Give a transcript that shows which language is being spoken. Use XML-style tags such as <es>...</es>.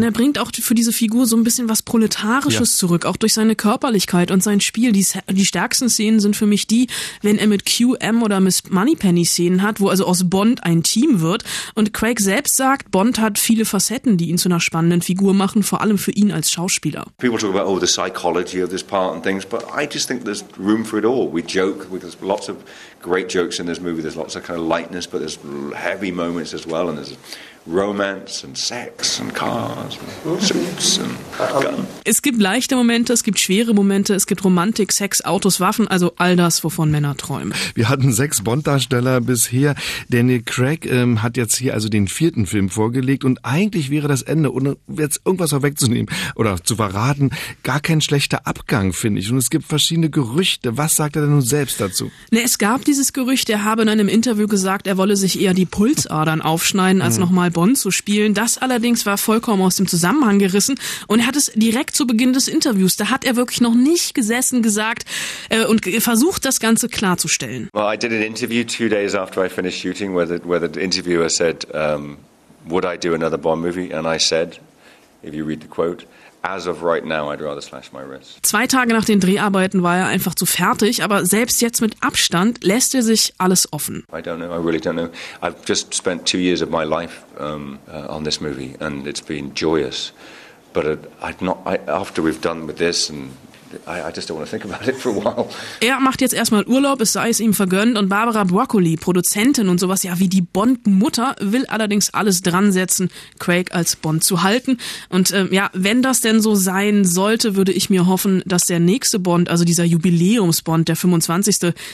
<de>Und er bringt auch für diese Figur so ein bisschen was Proletarisches zurück, auch durch seine Körperlichkeit und sein Spiel. Die stärksten Szenen sind für mich die, wenn er mit QM oder Miss Moneypenny Szenen hat, wo also aus Bond ein Team wird. Und Craig selbst sagt, Bond hat viele Facetten, die ihn zu einer spannenden Figur machen, vor allem für ihn als Schauspieler.</de> <en>People talk about the psychology of this part and things, but I just think there's room for it all. We joke, there's lots of great jokes in this movie, there's lots of kind of lightness, but there's heavy moments as well and there's romance and sex and cars and suits and guns.</en> <de>Es gibt leichte Momente, es gibt schwere Momente, es gibt Romantik, Sex, Autos, Waffen, also all das, wovon Männer träumen. Wir hatten 6 Bond-Darsteller bisher. Daniel Craig hat jetzt hier also den 4. Film vorgelegt und eigentlich wäre das Ende, ohne jetzt irgendwas vorwegzunehmen oder zu verraten, gar kein schlechter Abgang, finde ich. Und es gibt verschiedene Gerüchte. Was sagt er denn nun selbst dazu? Ne, es gab dieses Gerücht, er habe in einem Interview gesagt, er wolle sich eher die Pulsadern aufschneiden, als nochmal Bond zu spielen. Das allerdings war vollkommen aus dem Zusammenhang gerissen und er hat es direkt zu Beginn des Interviews, da hat er wirklich noch nicht gesessen, gesagt und versucht, das Ganze klarzustellen.</de> <en>Well, I did an interview 2 days after I finished shooting where the interviewer said, would I do another Bond movie? And I said, if you read the quote, as of right now, I'd rather slash my wrist.</en> <de>2 Tage nach den Dreharbeiten war er einfach zu fertig, aber selbst jetzt mit Abstand lässt er sich alles offen.</de> <en>I don't know, I really don't know. I've just spent 2 years of my life on this movie and it's been joyous. But after we've done with this and I just don't want to think about it for a while.</en> <de>Er macht jetzt erstmal Urlaub, es sei es ihm vergönnt und Barbara Broccoli, Produzentin und sowas, ja wie die Bond-Mutter, will allerdings alles dran setzen, Craig als Bond zu halten und wenn das denn so sein sollte, würde ich mir hoffen, dass der nächste Bond, also dieser Jubiläums-Bond, der 25.</de>